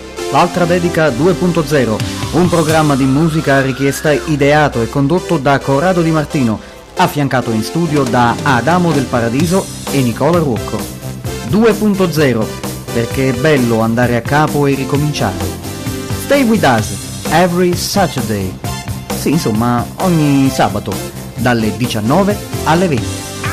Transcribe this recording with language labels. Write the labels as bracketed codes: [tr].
[it] L'altra dedica 2.0, un programma di musica a richiesta ideato e condotto da Corrado Di Martino, affiancato in studio da Adamo del Paradiso e Nicola Ruocco. 2.0, perché è bello andare a capo e ricominciare. [en] Stay with us every Saturday. [it] Sì, insomma, ogni sabato, dalle 19 alle 20.